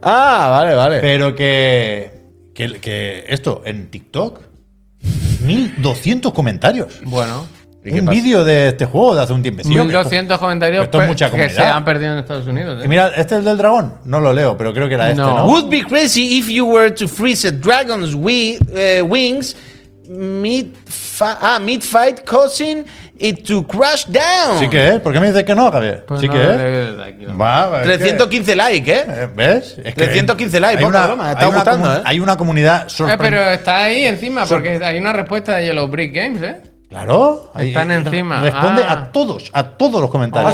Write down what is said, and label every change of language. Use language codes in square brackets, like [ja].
[es] Ah, vale. Pero que esto, en TikTok, 1.200 comentarios. Bueno. Un vídeo de este juego de hace un tiempecito. 1.200 comentarios que se han perdido en Estados Unidos. ¿Eh? Y mira, este es el del dragón. No lo leo, pero creo que era este, ¿no? [en] Would be crazy if you were to freeze a dragon's wings mid-fight causing it to crash down. [es] Sí que es. ¿Por qué me dices que no, Javier? Pues sí no, que no, es. Aquí, 315 likes, ¿eh? ¿Ves? Es 315 likes. Pon una broma. Está gustando, ¿eh? Hay una comunidad sorprendente. Pero está ahí encima porque hay una respuesta de Yellow Brick Games, ¿eh? Claro, están encima. Responde a todos los comentarios.